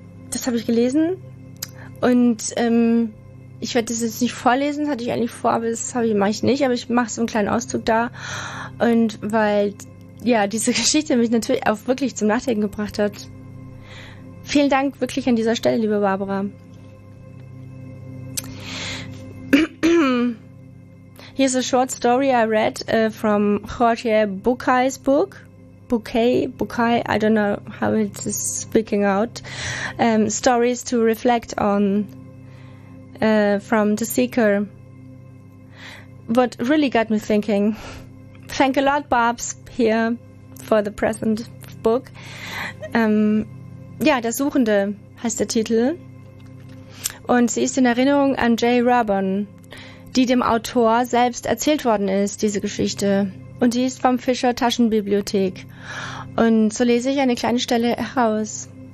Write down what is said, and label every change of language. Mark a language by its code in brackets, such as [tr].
[de] Das habe ich gelesen. Und ich werde das jetzt nicht vorlesen, das hatte ich eigentlich vor, aber das mache ich nicht. Aber ich mache so einen kleinen Auszug da. Und weil ja, diese Geschichte mich natürlich auch wirklich zum Nachdenken gebracht hat. Vielen Dank wirklich an dieser Stelle, liebe Barbara. [en] Here's a short story I read from Jorge Bucay's book. Bucay, I don't know how it's speaking out. Stories to reflect on from The Seeker. what really got me thinking. Thank a lot, Babs, here for the present book. [de] Ja, Der Suchende heißt der Titel. Und sie ist in Erinnerung an Jay Rabon, die dem Autor selbst erzählt worden ist, diese Geschichte. Und die ist vom Fischer Taschenbibliothek. Und so lese ich eine kleine Stelle heraus.